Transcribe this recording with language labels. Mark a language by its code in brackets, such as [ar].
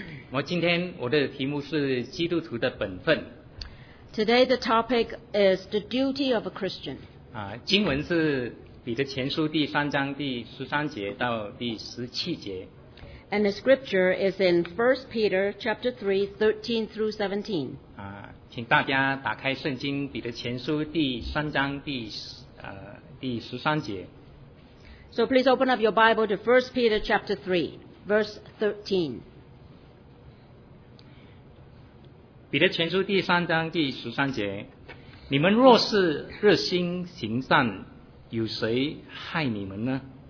[zh] 我今天我的题目是基督徒的本分。 [en] Today the topic is the duty of a Christian. [zh] 啊，经文是彼得前书第三章第十三节到第十七节。 [en] And the scripture is in 1 Peter chapter 3, 13 through 17. [zh] 啊，请大家打开圣经彼得前书第三章第第十三节。 [en] So please open up your Bible to 1 Peter chapter 3, verse 13. [zh] 彼得前书第三章第十三节，你们若是热心行善，有谁害你们呢？